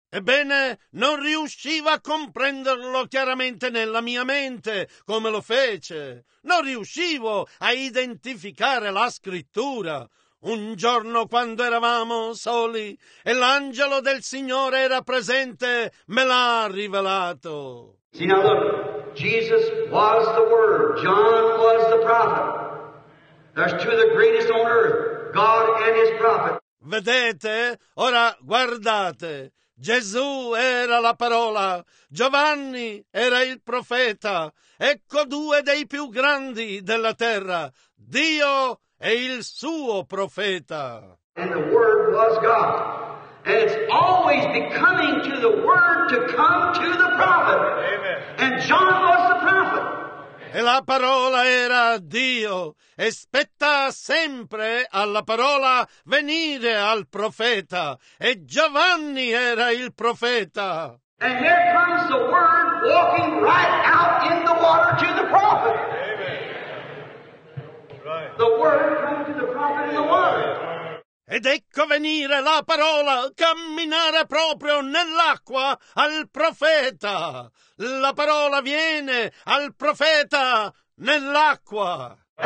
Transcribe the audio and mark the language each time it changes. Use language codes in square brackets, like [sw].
[it] Ebbene, non riuscivo a comprenderlo chiaramente nella mia mente, come lo fece. Non riuscivo a identificare la scrittura. Un giorno, quando eravamo soli, e l'angelo del Signore era presente, me l'ha rivelato. [en] See, now look, Jesus was the Word, John was the prophet. There's two of the greatest on earth, God and his prophet. [it] Vedete? Ora guardate. Gesù era la parola, Giovanni era il profeta, ecco due dei più grandi della terra, Dio e il suo profeta. [en] And the word was God. And it's always becoming to the word to come to the prophet. Amen. And John was the prophet. [it] E la parola era Dio, e spetta sempre alla parola venire al profeta, e Giovanni era il profeta. [en] And here comes the word walking right out in the water to the prophet. Amen. The word comes to the prophet in the water. [it] Ed ecco venire la parola, camminare proprio nell'acqua al profeta. La parola viene al profeta nell'acqua.